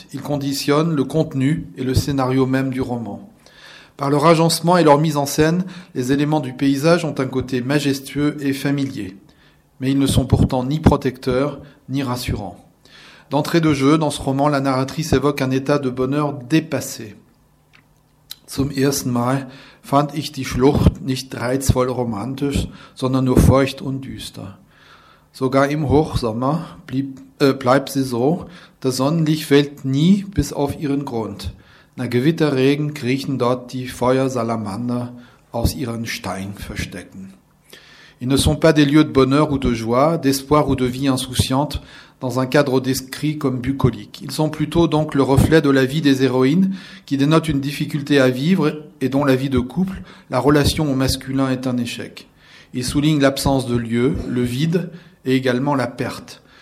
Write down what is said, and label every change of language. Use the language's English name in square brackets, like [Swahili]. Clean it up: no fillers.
[French] Il conditionne le contenu et le scénario même du roman. Par leur agencement et leur mise en scène, les éléments du paysage ont un côté majestueux et familier. Mais ils ne sont pourtant ni protecteurs, ni rassurants. D'entrée de jeu, dans ce roman, la narratrice évoque un état de bonheur dépassé. [German] Zum ersten Mal fand ich die Schlucht nicht reizvoll romantisch, sondern nur feucht und düster. Sogar im Hochsommer bleibt sie so, das Sonnenlicht fällt nie bis auf ihren Grund. Na Gewitterregen kriechen dort die Feuersalamander aus ihren Steinverstecken. [French] Ils ne sont pas des lieux de bonheur ou de joie, d'espoir ou de vie insouciante dans un cadre décrit comme bucolique. Ils sont plutôt donc le reflet de la vie des héroïnes qui dénotent une difficulté à vivre et dont la vie de couple, la relation au masculin est un échec. Il souligne l'absence de lieu, le vide et également la perte.